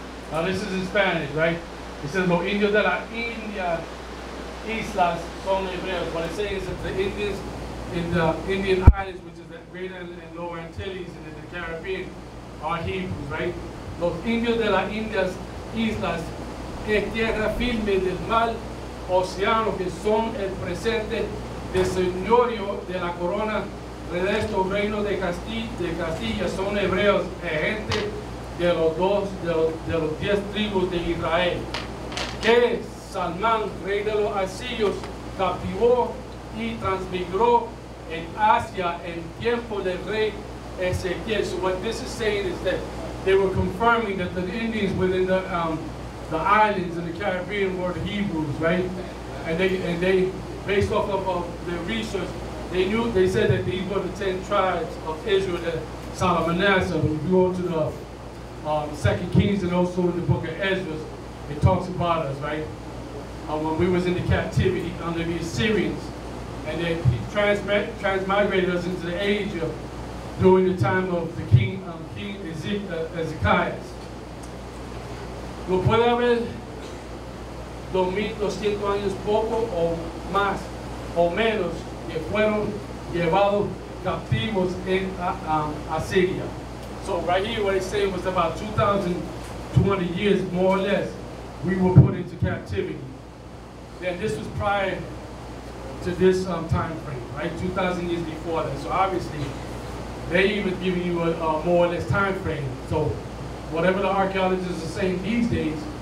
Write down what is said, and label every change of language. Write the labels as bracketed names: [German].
[English] Now this is in Spanish, right? It says, [Spanish] "Los indios de la India islas son hebreos." [English] What it's saying is that the Indians in the Indian Islands, which is the Greater and Lower Antilles and in the Caribbean, are Hebrews, right? [Spanish] Los indios de la India islas es tierra firme del mal océano que son el presente de señorio de la corona de estos reinos de Castilla son hebreos, gente de los 10 tribus de Israel, que Salmán, rey de los asirios, captivó y transmigró en Asia en tiempo del rey Ezequiel. [English] So what this is saying is that they were confirming that the Indians within the islands in the Caribbean were the Hebrews, right? And they based off of their research, they said that these were the 10 tribes of Israel, the son of Manasseh. When you go to the Second Kings and also in the book of Ezra, it talks about us, right? When we was in the captivity under the Assyrians, and then he transmigrated us into the Asia during the time of the King Ezekiah. [Spanish] Lo puede haber 2,200 años poco o más o menos que fueron llevados captivos en Asiria. [English] So right here what it's saying was about 2,200 years more or less we were put into captivity. Then this was prior to this time frame, right? 2,000 years before that. So obviously they even giving you a more or less time frame. So whatever the archaeologists are saying these days,